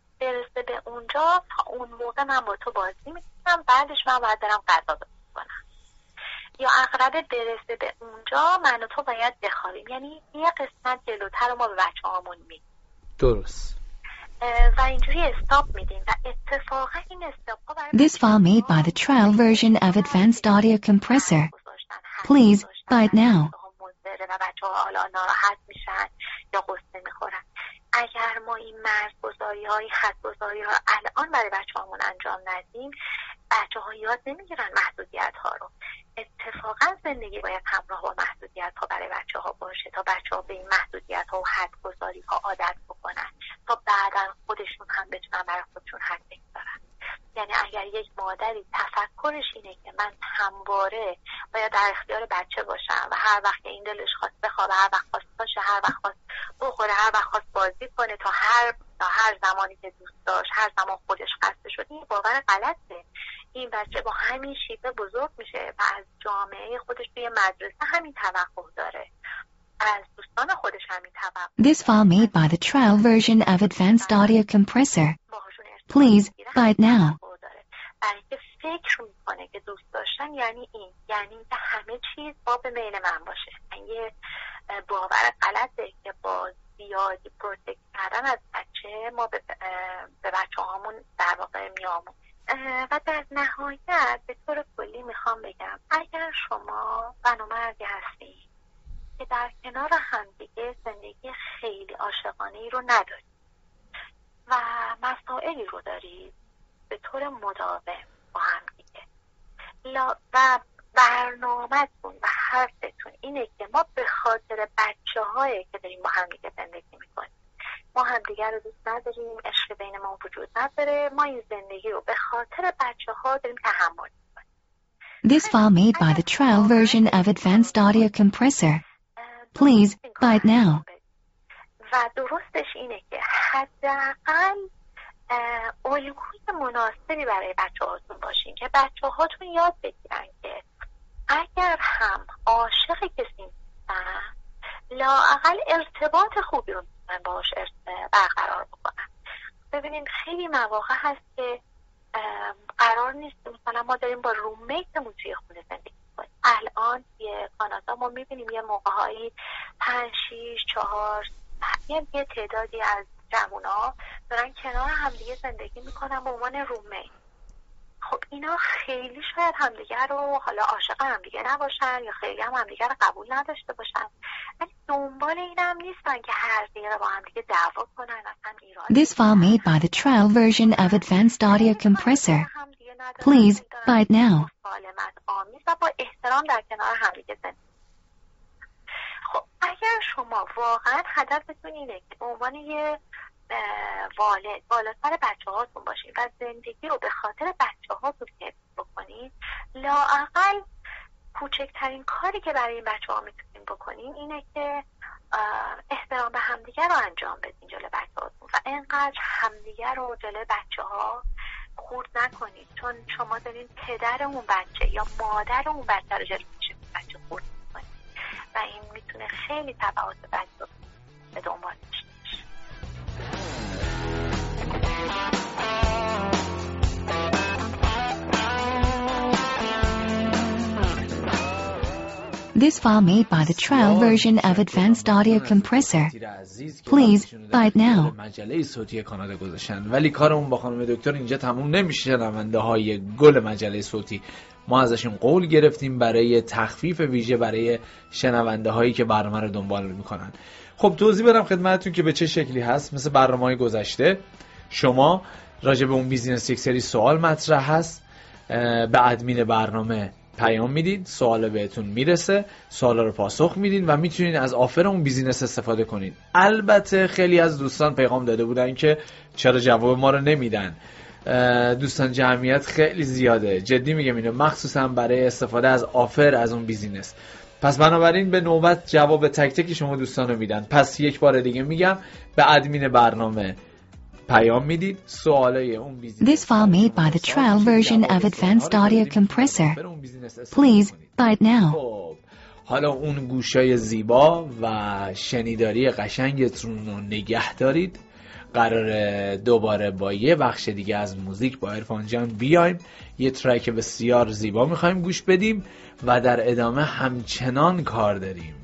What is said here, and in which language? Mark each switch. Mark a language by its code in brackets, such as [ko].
[fa] برسه به اونجا تا اون موقع من با تو بازی میکنم، بعدش من باید دارم قضا بکنم. یا عقربه برسه به اونجا من و تو باید بخوابیم. یعنی یه قسمت جلوتر ما به بچه هامون میدیم. درست. و اینجوری استاپ میدیم و اتفاقا این استاپ ها برای [en] This file made by the trial version of Advanced Audio Compressor. Please buy it now. [fa] و بچه ها حالا ناراحت میشن یا غصه میخورن. اگر ما این مرزگذاری های خطگذاری ها الان برای بچه هامون انجام ندیم، بچه ها یاد نمیگیرن محدودیت ها رو. اتفاقا زندگی باید همراه با محدودیت ها برای بچه ها باشه تا بچه ها به این محدودیت ها و خطگذاری ها عادت بکنن، تا بعدا خودشون هم بتونن برای خودشون حد بگذارن. یعنی اگر یک مادری تفکرش اینه که من همواره باید در اختیار بچه باشم و هر وقت این دلش خواست بخوابه، هر وقت خواست باشه، هر وقت خواست بخوره، هر وقت خواست بازی کنه، تا هر زمانی که دوست داشت، هر زمان خودش خسته شد، این باور غلطه. این بچه با همین شیوه بزرگ میشه و از جامعه خودش توی مدرسه همین توقع داره، از دوستان خودش همین توقع. [en] This file made by the trial version of Advanced Audio Compressor. Please buy it now. [fa] برای که فکر میکنه که دوست داشتن یعنی این، یعنی که همه چیز با به میل من باشه. یه باور غلطه که با زیادی پروتکت کردن از بچه ما به بچه هامون در واقع میامون. و در نهایت به طور کلی میخوام بگم اگر شما بنامردی هستی که در کنار همدیگه زندگی خیلی عاشقانه‌ای رو نداری و مسائلی رو دارید به طور مداوم با هم دیگه و برنامه‌تون و حرفتون اینه که ما به خاطر بچه‌هایی که داریم با هم دیگه زندگی می‌کنیم، ما هم دیگر رو دوست نداریم، عشق بین ما وجود نداره، ما این زندگی رو به خاطر بچه‌ها داریم تحمل می‌کنیم. [en] This file made by the trial version of Advanced Audio Compressor. Please buy it now. [fa] و درستش اینه که حداقل الگوی مناسبی برای بچه‌هاتون باشین که بچه‌هاتون یاد بگیرن که اگر هم عاشق کسی نیستن لااقل ارتباط خوبی رو میتونن باهاش برقرار بکنن. ببینین خیلی مواقع هست که قرار نیست، مثلا ما داریم با روممیتمون توی خونه زندگی میکنیم. الان یه کانادا ما میبینیم یه موقعهایی 5-6-4 یه تعدادی از جوونا دارن کنار همدیگه زندگی میکنن به عنوان رومه. خب اینا خیلی شاید همدیگه رو حالا عاشق همدیگه نباشن یا خیلی هم همدیگه رو قبول نداشته باشن، ولی دنبال اینم نیستن که هر دیگه با همدیگه دعوا کنن. اصلا ایران [en] This file made by the trial version of Advanced Audio Compressor. Please buy it now. [fa] سالمت آمیز و با احترام در کنار همدیگه زندگی. خب اگر شما واقعا هدفتون اینه که به عنوان یه والد بالاتر بچه هاتون باشین و زندگی رو به خاطر بچه هاتون حفظ بکنین، لااقل کوچکترین کاری که برای این بچه ها میتونین بکنین اینه که احترام به همدیگر رو انجام بدین جلوی بچه هاتون و اینقدر همدیگر رو جلوی بچه ها خورد نکنین، چون شما دارین پدر اون بچه یا مادر اون بچه رو جلوی بچه خورد نکنین و این میتونه خیلی تبعات بچه رو به دنبال داشته باشه. [en] This file made by the trial version of Advanced Audio Compressor. Please buy it now. [fa] مجله صوتی کانادا گذاشتن. ولی کارمون با خانم دکتر اینجا تموم نمیشه. شنونده های گل مجله صوتی، ما ازشون قول گرفتیم برای تخفیف ویژه برای شنونده هایی که برنامه رو دنبال میکنن. خب توضیح بدم خدمتتون که به چه شکلی هست. مثل برنامه های گذشته، شما راجع به اون بیزینس یک سری سوال مطرح هست، به ادمین برنامه پیام میدید، سوال بهتون میرسه، سوال رو پاسخ میدین و میتونین از آفر اون بیزینس استفاده کنین. البته خیلی از دوستان پیغام داده بودن که چرا جواب ما رو نمیدن. دوستان جمعیت خیلی زیاده، جدی میگم اینو، مخصوصا برای استفاده از آفر از اون بیزینس. پس بنابراین به نوبت جواب تک تک شما دوستان رو میدن. پس یک بار دیگه میگم، به ادمین برنامه پیام میدید، سوالای اون بیزینس. [en] This file made by the trial version of Advanced Audio Compressor. Please buy it now. [fa] حالا اون گوشای زیبا و شنیداری قشنگتون رو نگه دارید. قراره دوباره با یه بخش دیگه از موزیک با عرفان جان بیایم. یه ترک بسیار زیبا میخوایم گوش بدیم و در ادامه همچنان کار داریم.